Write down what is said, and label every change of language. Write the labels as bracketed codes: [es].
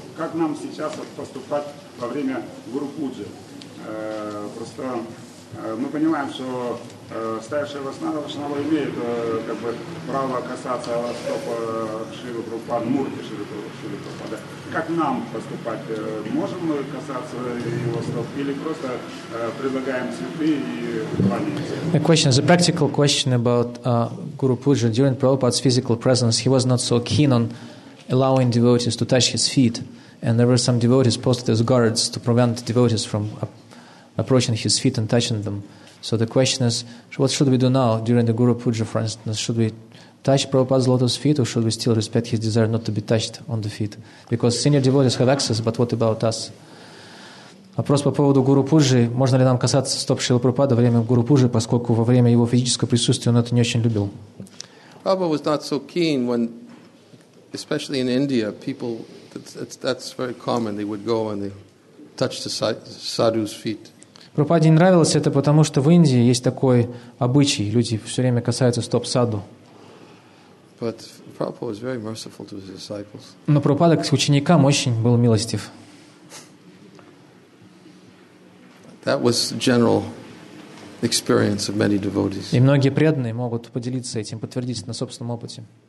[ru] Как нам сейчас поступать во время Гуру-пуджи? Просто мы понимаем, что старшая Васнава Вашнава имеет как бы право касаться стопа Шрилы Прабхупады, Мурти Шрилы Прабхупады. Как нам поступать? Можем мы касаться его стоп или просто предлагаем цветы и кланяемся? [en] A question is a practical question about Guru Puja. During Prabhupada's physical presence, he was not so keen on allowing devotees to touch his feet, and there were some devotees posted as guards to prevent devotees from approaching his feet and touching them. So the question is, what should we do now during the Guru Puja, for instance? Should we touch Prabhupada's lotus feet, or should we still respect his desire not to be touched on the feet? Because senior devotees have access, but what about us? [ru] Вопрос по поводу Гуру Пуджи. Можно ли нам касаться стоп Шрилы Прабхупады во время Гуру Пуджи, поскольку во время его физического присутствия он это не очень любил? [en] Prabhupada was not so keen when, especially in India, people, that's very common, they would go and they touch the sadhu's feet. [ru] Прабхупаде не нравилось это, потому что в Индии есть такой обычай. Люди все время касаются стоп саду. [en] But Prabhupada was very merciful to his disciples. [ru] Но Прабхупада к ученикам очень был милостив. [en] That was the general experience of many devotees. [ru] И многие преданные могут поделиться этим, подтвердить на собственном опыте.